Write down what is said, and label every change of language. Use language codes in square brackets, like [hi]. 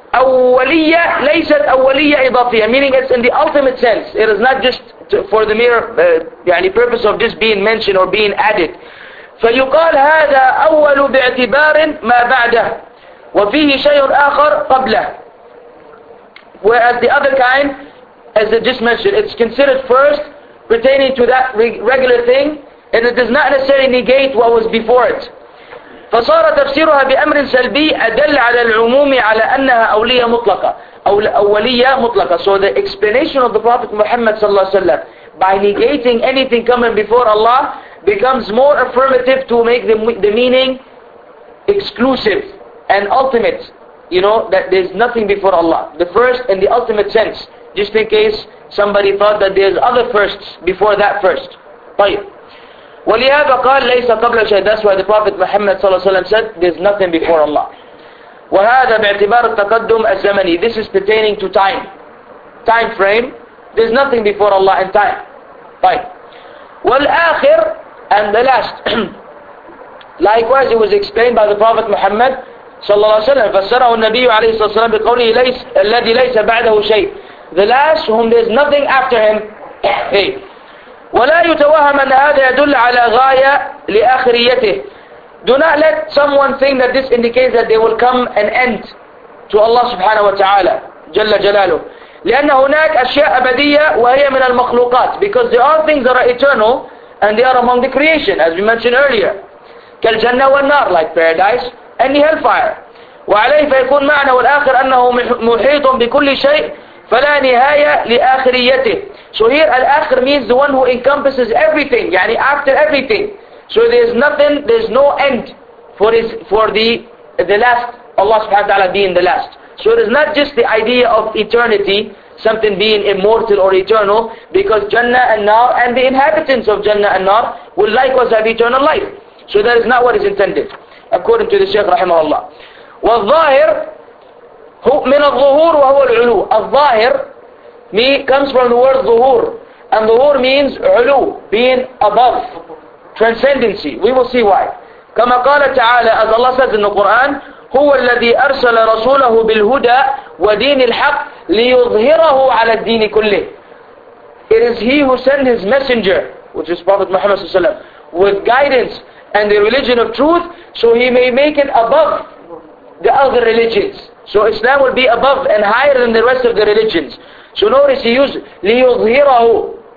[ar] أولية ليست أولية إضافية. [en] Meaning it's in the ultimate sense. It is not just for the mere purpose of just being mentioned or being added. [ar] فيقال هذا أول باعتبار ما بعده وفيه شيء آخر قبله. [en] Whereas the other kind, as I just mentioned, it's considered first pertaining to that regular thing, and it does not necessarily negate what was before it. [ar] فصار تفسيرها بأمر سلبي أدل على العموم على أنها أولية مطلقة أو أولية مطلقة. [en] So the explanation of the Prophet Muhammad صلى الله عليه وسلم by negating anything coming before Allah becomes more affirmative to make the meaning exclusive and ultimate. You know that there's nothing before Allah, the first and the ultimate sense. Just in case somebody thought that there's other firsts before that first. [ar] طيب. ولهذا قال ليس قبل شيء. [en] That's why the Prophet Muhammad صلى الله عليه وسلم said there's nothing before Allah. [ar] وهذا باعتبار التقدم الزمني. [en] This is pertaining to time. Time frame. There's nothing before Allah in time. [ar] طيب. والآخر [en] and the last. Likewise, it was explained by the Prophet Muhammad صلى الله عليه وسلم. [ar] فسره النبي عليه الصلاة والسلام بقوله ليس الذي ليس بعده شيء. [en] The last whom there is nothing after him. Hey. [ar] ولا يتوهم أن هذا يدل على غاية لآخريته. [en] Do not let someone think that this indicates that they will come an end to Allah subhanahu wa ta'ala جل جلاله. [ar] لأن هناك أشياء أبدية وهي من المخلوقات. [en] Because there are things that are eternal and they are among the creation, as we mentioned earlier. [ar] كالجنة والنار, [en] like paradise and the hellfire. [ar] وعليه فيكون معنى والآخر أنه محيط بكل شيء فلا نهاية لآخريته. [en] So here الآخر means the one who encompasses everything, يعني after everything. So there's nothing, there's no end for the last, Allah subhanahu wa ta'ala being the last. So it is not just the idea of eternity, something being immortal or eternal, because Jannah and Nar and the inhabitants of Jannah and Nar will likewise have eternal life. So that is not what is intended, according to the Shaykh rahimahullah. [ar] والظاهر من الظهور وهو العلو. [en] الظاهر comes from the word ظهور. And ظهور means علو, being above, transcendency. We will see why. كما قال تعالى, as Allah says in the Quran, [ar] هو الذي أرسل رسوله بالهدى ودين الحق ليظهره على الدين كله. [en] It is he who sent his messenger, which is Prophet Muhammad صلى الله عليه وسلم, with guidance and the religion of truth, so he may make it above the other religions. So Islam will be above and higher than the rest of the religions. So notice he used ليظهره.